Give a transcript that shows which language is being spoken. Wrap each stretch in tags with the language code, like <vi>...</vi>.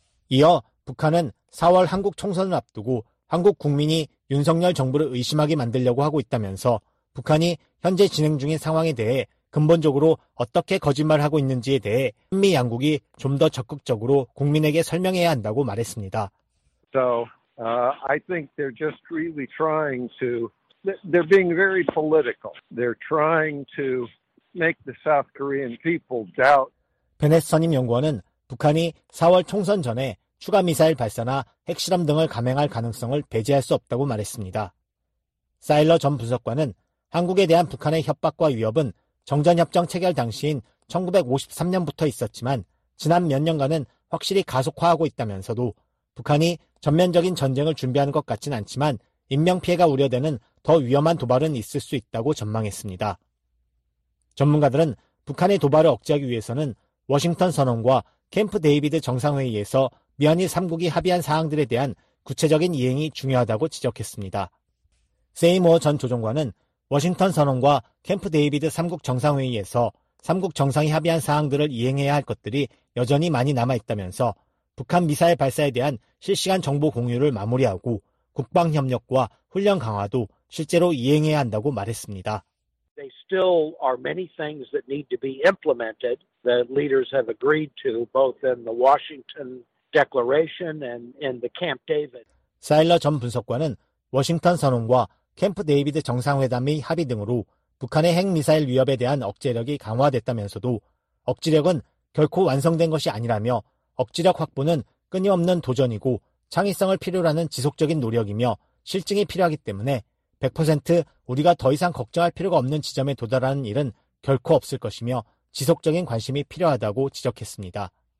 <ko>이어 북한은 4월 한국 총선을 앞두고 한국 국민이 윤석열 정부를 의심하게 만들려고 하고 있다면서 북한이 현재 진행 중인 상황에 대해 근본적으로 어떻게 거짓말하고 있는지에 대해 한미 양국이 좀 더 적극적으로 국민에게 설명해야 한다고 말했습니다.</ko> <en>So, I think they're just really trying to they're being very political. They're trying to make the South Korean people doubt.</en> <ko>베네스 선임 연구원은 북한이 4월 총선 전에 추가 미사일 발사나 핵실험 등을 감행할 가능성을 배제할 수 없다고 말했습니다. 사일러 전 부석관은 한국에 대한 북한의 협박과 위협은 정전협정 체결 당시인 1953년부터 있었지만 지난 몇 년간은 확실히 가속화하고 있다면서도 북한이 전면적인 전쟁을 준비하는 것 같진 않지만 인명피해가 우려되는 더 위험한 도발은 있을 수 있다고 전망했습니다. 전문가들은 북한의 도발을 억제하기 위해서는 워싱턴 선언과 캠프 데이비드 정상회의에서 미한일 3국이 합의한 사항들에 대한 구체적인 이행이 중요하다고 지적했습니다. 세이모어 전 조정관은 워싱턴 선언과 캠프 데이비드 3국 정상회의에서 3국 정상이 합의한 사항들을 이행해야 할 것들이 여전히 많이 남아있다면서 북한 미사일 발사에 대한 실시간 정보 공유를 마무리하고 국방협력과 훈련 강화도 실제로 이행해야 한다고 말했습니다.</ko> <en>They still are many things that need to be implemented that leaders have agreed to both in the Washington Declaration and in the Camp David.</en> <ko>사일러 전 분석관은 워싱턴 선언과 캠프 데이비드 정상회담의 합의 등으로 북한의 핵미사일 위협에 대한 억제력이 강화됐다면서도 억지력은 결코 완성된 것이 아니라며 억지력 확보는 끊임없는 도전이고 창의성을 필요로 하는 지속적인 노력이며 실증이 필요하기 때문에 100% 우리가 더 이상 걱정할 필요가 없는 지점에 도달하는 일은 결코 없을 것이며 지속적인 관심이 필요하다고 지적했습니다.</ko>